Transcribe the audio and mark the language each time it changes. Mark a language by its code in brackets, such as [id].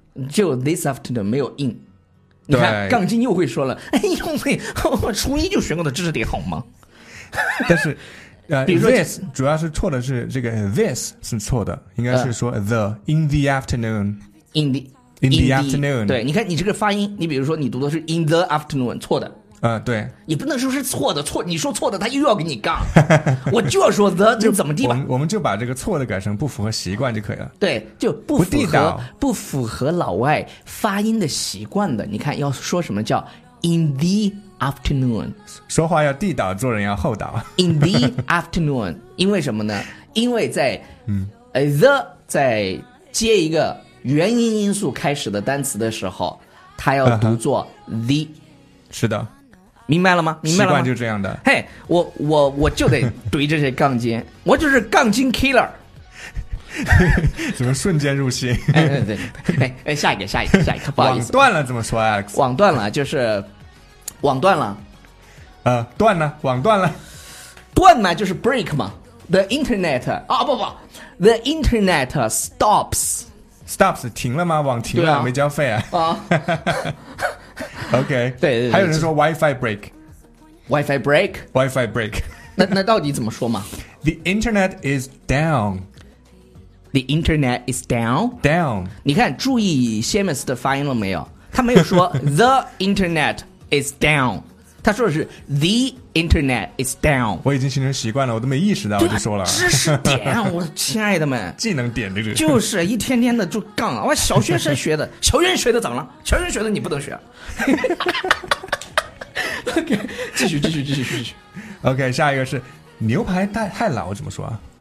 [en] 就 this afternoon [zh] 没有 [en] in。 [zh] 对。你看，杠精又会说了。哎呦喂，我初一就学过的知识点好吗？但是，比如说 this 主要是错的是这个 this 是错的，应该是说 [en] the in the afternoon. In the。 In the afternoon， [zh] 对，你看你这个发音，你比如说你读的是 [en] in the afternoon， [zh] 错的。对，也不能说是错的，错，你说错的，他又要给你杠。我就要说 the， 就怎么地吧。我们就把这个错的改成不符合习惯就可以了。对，就不符合老外发音的习惯的。你看要说什么叫 in the afternoon，说话要地道，做人要厚道。 [en] In the afternoon， [zh] 因为什么呢？因为在the 再接一个。元音因素开始的单词的时候，它要读作 the，是的，明白了吗？明白了吗？习惯就这样的。嘿、我就得怼这些杠精，我就是杠精 killer。怎么瞬间入戏？哎，下一个，下一个，下一个，不好意思，网断了怎么说 ？Alex，网断了就是网断了，断了，网断了，断嘛就是 break 嘛 ，the internet 啊不 ， [en] the internet stops。 [zh] Stops 停了吗？网停了、啊、没交费啊。OK，对，还有人说 WiFi break， [en] WiFi break， WiFi break， [zh] 那到底怎么说嘛？ [en] The internet is down， The internet is down， down。 [zh] 你看注意 Seamus 的发音了没有，他没有说 [en] The internet is down， [zh] 他说的是 [en] the internet is down。 [zh] 我已经形成习惯了，我都没意识到，我就说了知识点，我亲爱的们技能点，这个就是一天天的就杠了。我小学生学的，小学生学的怎么了？小学生学的你不能学。 OK， 继续 OK， 下一个是牛排太老，怎么说啊？